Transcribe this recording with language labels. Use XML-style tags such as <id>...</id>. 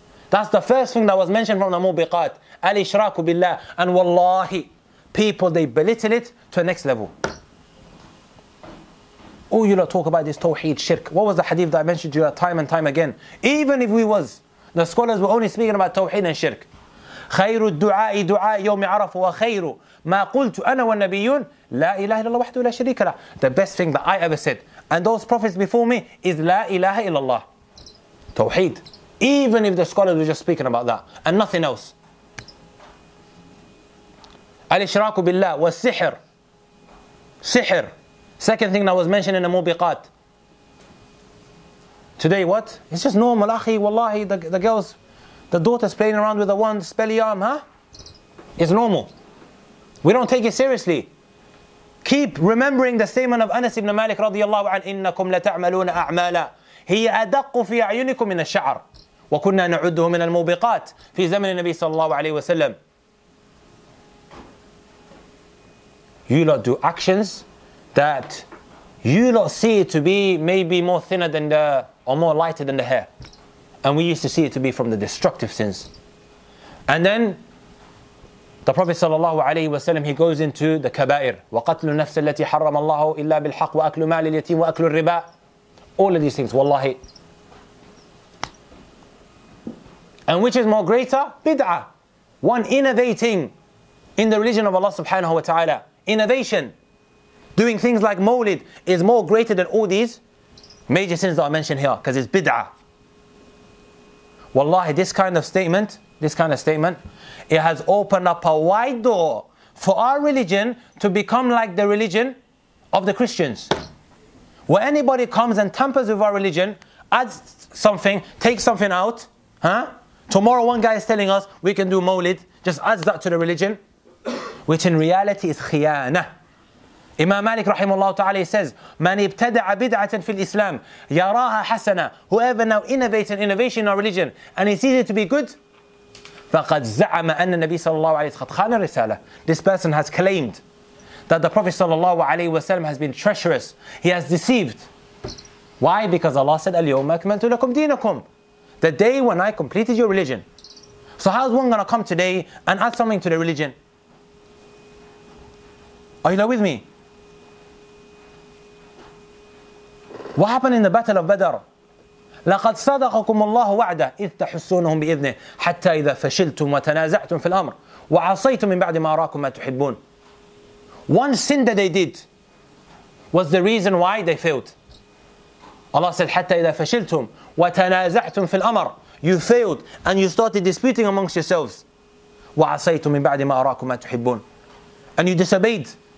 <en>That's the first thing that was mentioned from the mubiqat. Al-ishraku billah. And wallahi, people, they belittle it to the next level. All you talk about is tawheed, shirk. What was the hadith that I mentioned to you time and time again? Even if the scholars were only speaking about tawheed and shirk.</en> <ar>خير الدعاء دعاء يوم عرفة وخير ما قلت أنا والنبيون لا إله إلا الله وحده لا شريك له.</ar> <en>The best thing that I ever said and those prophets before me is</en> <ar>لا إله إلا الله.</ar> <en>Tawheed. Even if the scholars were just speaking about that and nothing else.</en> <ar>الإشراك بالله والسحر. سحر.</ar> <en>Second thing that was mentioned in the Mubiqat. Today what? It's just normal.</en> <ar>أخي والله,</ar> <en>the girls, the daughters playing around with the one spell yam, huh? It's normal. We don't take it seriously. Keep remembering the statement of Anas ibn Malik</en> <ar>رضي الله عنه إنكم لتعملون أعمالا هي أدق في أعينكم من الشعر وكنا نعده من الموبقات في زمن النبي صلى الله عليه وسلم.</ar> <en>You lot do actions that you lot see it to be maybe more thinner than the or more lighter than the hair. And we used to see it to be from the destructive sins. And then the Prophet صلى الله عليه وسلم he goes into the kabair.</en> <ar>وقتل النفس التي حرم الله إلا بالحق وأكل مال اليتيم وأكل الربا.</ar> <en>All of these things, wallahi. And which is more greater? Bid'ah. One innovating in the religion of Allah subhanahu wa ta'ala. Innovation. Doing things like mawlid is more greater than all these major sins that are mentioned here. Because it's bid'ah. Wallahi, this kind of statement, it has opened up a wide door for our religion to become like the religion of the Christians. Where anybody comes and tampers with our religion, adds something, takes something out, huh? Tomorrow one guy is telling us we can do mawlid, just adds that to the religion, which in reality is khiyana. Imam Malik rahimahullah ta'ala says,</en> <ar>"Man ibtada'a bid'atan fil Islam, yaraha hasana."</ar> <en>Whoever now innovates an innovation in our religion and he sees it to be good,</en> <ar>فَقَدْ زَعَمَ أَنَّ النَّبِيَ صَلَّى اللَّهُ عَلَيْهِ وَسَلَّمَ خَانَ الرِّسَالَةَ.</ar> <en>This person has claimed that the Prophet صلى الله عليه وسلم has been treacherous. He has deceived. Why? Because Allah said,</en> <ar>"الْيَوْمَ أَكْمَلْتُ لَكُمْ دِينَكُمْ."</ar> <en>The day when I completed your religion. So how is one going to come today and add something to the religion? Are you not with me? What happened in the battle of Badr?</en> <ar>لَقَدْ صَدَقَكُمُ اللَّهُ وَعْدَهُ إِذْ تَحُسُّونَهُمْ بِإِذْنِهِ حَتَّى إِذَا فَشِلْتُمْ وَتَنَازَعْتُمْ فِي الْأَمْرِ وَعَصَيْتُمْ مِنْ بَعْدِ مَا أَرَاكُمْ مَا تُحِبُّونَ.</ar> <en>One sin that they did was the reason why they failed. Allah said,</en> <ar>حَتَّى إِذَا فَشِلْتُمْ وَتَنَازَعْتُمْ فِي الْأَمْرِ.</ar> <en>You failed and you started disputing amongst yourselves.</en> <ar>وَعَصَيْتُمْ مِنْ بَعْدِ مَا أَرَاكُمْ مَا تُحِبُّونَ.</ar> <en>And you disobeyed.</en>